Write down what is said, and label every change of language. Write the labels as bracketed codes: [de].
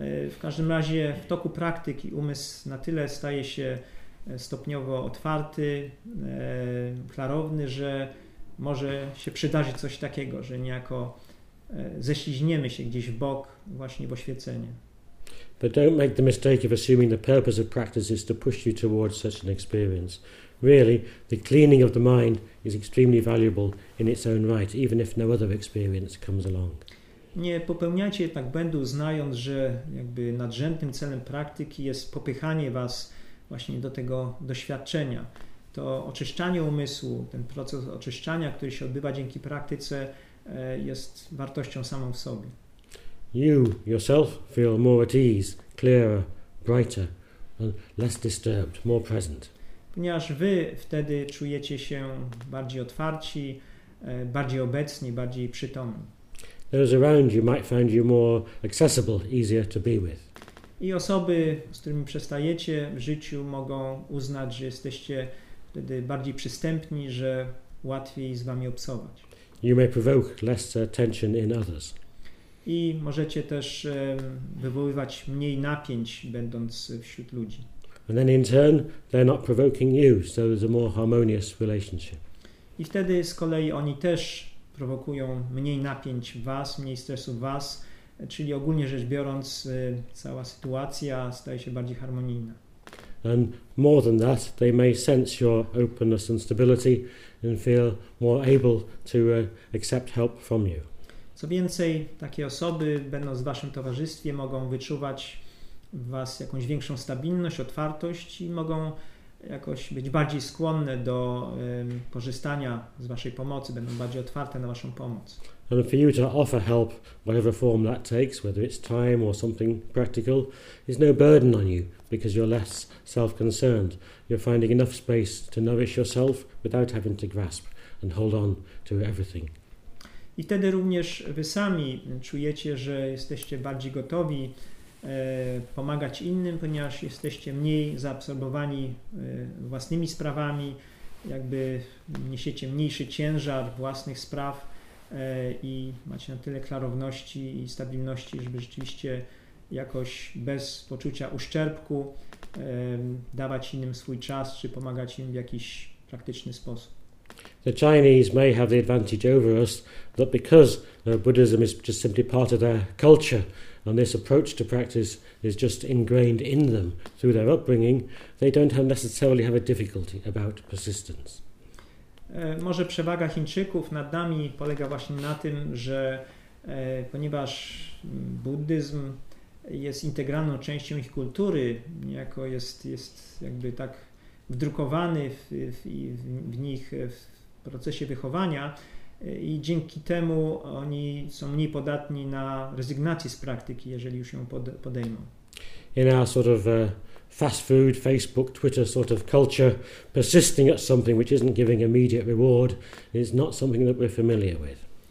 [pl] W każdym razie w toku praktyki umysł na tyle staje się stopniowo otwarty, klarowny, że może się przydarzyć coś takiego, że niejako ześliźniemy się gdzieś w bok właśnie w oświecenie. [en] But don't make the mistake of assuming the purpose of practice is to push you towards such an experience. Really, the cleaning of the mind is extremely valuable in its own right, even if no other experience comes along. [pl] Nie popełniajcie jednak błędu, znając, że jakby nadrzędnym celem praktyki jest popychanie was właśnie do tego doświadczenia. To oczyszczanie umysłu, ten proces oczyszczania, który się odbywa dzięki praktyce, jest wartością samą w sobie. [en] You yourself feel more at ease, clearer, brighter, less disturbed, more present. [pl] Ponieważ wy wtedy czujecie się bardziej otwarci, bardziej obecni, bardziej przytomni. [en] Those around you might find you more accessible, easier to be with. [pl] I osoby, z którymi przestajecie w życiu, mogą uznać, że jesteście wtedy bardziej przystępni, że łatwiej z wami obcować. [en] You may provoke less tension in others. [pl] I możecie też wywoływać mniej napięć, będąc wśród ludzi. [en] And then in turn, they're not provoking you, so there's a more harmonious relationship. [pl] I wtedy z kolei oni też prowokują mniej napięć was, mniej stresu was, czyli ogólnie rzecz biorąc, cała sytuacja staje się bardziej harmonijna. [en] And more than that, they may sense your openness and stability and feel more able to accept help from you. [pl] Co więcej, takie osoby, będąc w waszym towarzystwie, mogą wyczuwać w was jakąś większą stabilność, otwartość i mogą jakoś być bardziej skłonne do korzystania z waszej pomocy, będą bardziej otwarte na waszą pomoc. [en] And for you to offer help, whatever form that takes, whether it's time or something practical, is no burden on you, because you're less self-concerned. You're finding enough space to nourish yourself without having to grasp and hold on to everything. [pl] I wtedy również wy sami czujecie, że jesteście bardziej gotowi pomagać innym, ponieważ jesteście mniej zaabsorbowani własnymi sprawami, jakby niesiecie mniejszy ciężar własnych spraw i macie na tyle klarowności i stabilności, żeby rzeczywiście jakoś bez poczucia uszczerbku dawać innym swój czas, czy pomagać im w jakiś praktyczny sposób. [en] The Chinese may have the advantage over us that because Buddhism is just simply part of their culture and this approach to practice is just ingrained in them through their upbringing, they don't necessarily have a difficulty about persistence. [pl] Może przewaga Chińczyków nad nami polega właśnie na tym, że ponieważ buddyzm jest integralną częścią ich kultury, niejako jest jakby tak wdrukowany w nich w procesie wychowania i dzięki temu oni są mniej podatni na rezygnację z praktyki, jeżeli już ją podejmą. [en] In our sort of fast food, Facebook, Twitter sort of culture, persisting at something which isn't giving immediate reward is not something that we're familiar with.